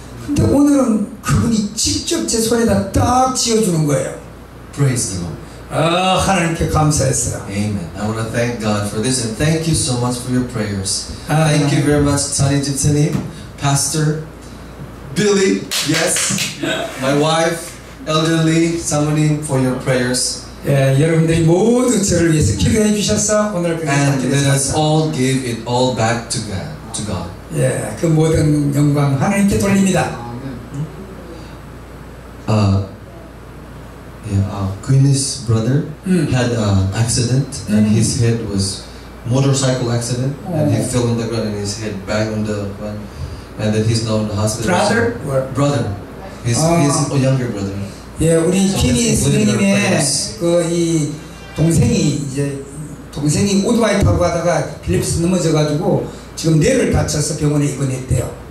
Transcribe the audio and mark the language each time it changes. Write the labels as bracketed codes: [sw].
[ko] 근데 오늘은 그분이 직접 제 손에다 딱 지어주는 거예요. [en] Praise the Lord. [ko] 아, 하나님께 감사했어요. [en] Amen. I want to thank God for this and thank you so much for your prayers. Thank you very much, Tani Jitani, Pastor Billy, yes, my wife, Elder Lee, somebody for your prayers. [ko] 예, 여러분들이 모두 저를 위해서 기도해 주셨어 오늘 [en] And let us all give it all back to God. To God. [ko] 예, 그 모든 영광 하나님께 돌립니다. [en] 아, 예, Queenie's brother had an accident and his head was motorcycle accident and he fell on the ground and his head banged on the ground and then he's now in the hospital. Brother, or brother, his younger brother. [ko] 예, 우리 키니 선생님의 그 이 동생이 이제 동생이 오토바이 타고 가다가 필립스 넘어져가지고 지금 뇌를 다쳐서 병원에 입원했대요.